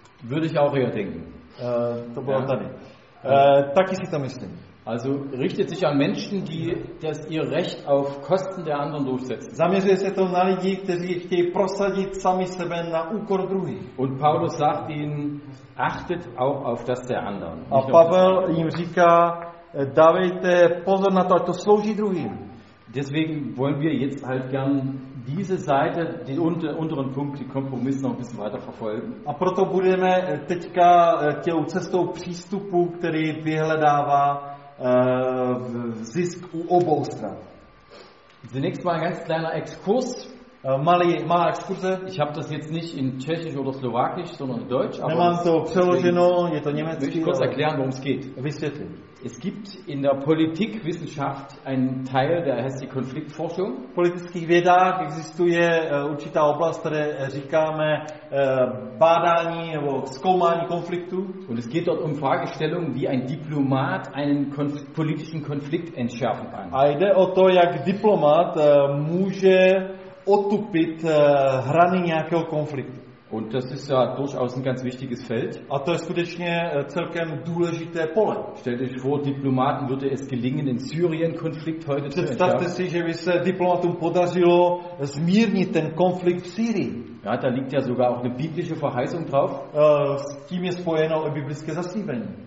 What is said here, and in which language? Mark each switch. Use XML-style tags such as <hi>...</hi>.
<de>Würde ich auch eher denken.</de> <cs>To bylo tady. Taky si to myslím.</cs> <de>Also richtet sich an Menschen, die das ihr Recht auf Kosten der anderen durchsetzen.</de> <cs>Zaměřuje se to na lidi, kteří chtějí prosadit sami sebe na úkor druhých.</cs> <de>Und Paulus sagt ihnen, achtet auch auf das der anderen.</de> <cs>A Pavel jim říká, dávejte pozor na to, ať to slouží druhým.</cs> <de>Deswegen wollen wir jetzt halt gern diese Seite, den unteren Punkt, den Kompromiss noch ein bisschen weiter verfolgen.</de> <cs>A proto budeme teďka tou cestou přístupu, který vyhledává zisk u obou stran.</cs> <de>Zunächst mal ein ganz kleiner Exkurs.</de> <cs>Malá exkurze.</cs> <de>Ich habe das jetzt nicht in Tschechisch oder Slowakisch, sondern in Deutsch.</de> <cs>Nemám to přeloženo, je to německy.</cs> <de>Möchte ich kurz erklären, worum es geht.</de> <cs>Vysvětlím.</cs> <de>Es gibt in der Politikwissenschaft einen Teil, der heißt die Konfliktforschung.</de> <cs>V politických vědách existuje určitá oblast, které říkáme bádání nebo zkoumání konfliktu.</cs> <de>Und es geht dort um Fragestellungen, wie ein Diplomat einen politischen Konflikt entschärfen kann.</de> <cs>A jde o to, jak diplomat může otupit hrany nějakého konfliktu.</cs> <de>Und das ist ja durchaus ein ganz wichtiges Feld.</de> <cs>A to je skutečně celkem důležité pole.</cs> <de>Stellt euch vor, Diplomaten würde es gelingen, den Syrien-Konflikt heute zu entschärfen.</de> <cs>Představte si, že by se diplomatům podařilo zmírnit ten konflikt v Syrii.</cs> <de>Ja, da liegt ja sogar auch eine biblische Verheißung drauf.</de> <cs>S tím je spojeno i biblické zaslíbení.</cs>